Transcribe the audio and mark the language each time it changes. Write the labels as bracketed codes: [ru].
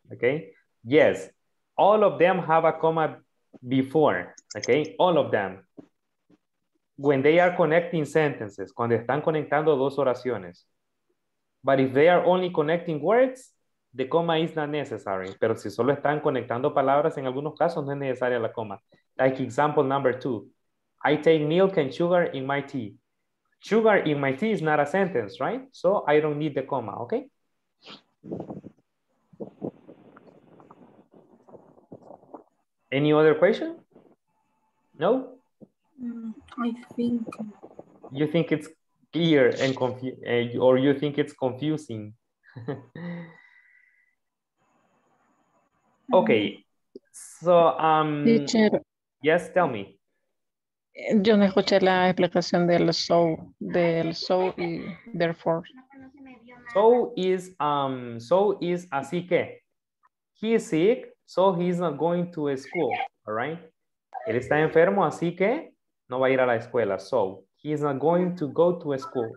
[en] Okay. Yes. All of them have a comma before. Okay. All of them. When they are connecting sentences, [es] cuando están conectando dos oraciones. [en] But if they are only connecting words, the comma is not necessary. [es] Pero si solo están conectando palabras, en algunos casos no es necesaria la coma. [en] Like example number two. I take milk and sugar in my tea. Sugar in my tea is not a sentence, right? So I don't need the comma, okay? Any other question? No? I think. You think it's clear and or you think it's confusing? Okay, so teacher, yes, tell me. [es] Yo no escuché la explicación del so y therefore. [en] So is [es] así que. [en] He is sick, so he is not going to school. All right. [es] Él está enfermo, así que no va a ir a la escuela. [en] So he is not going to go to a school.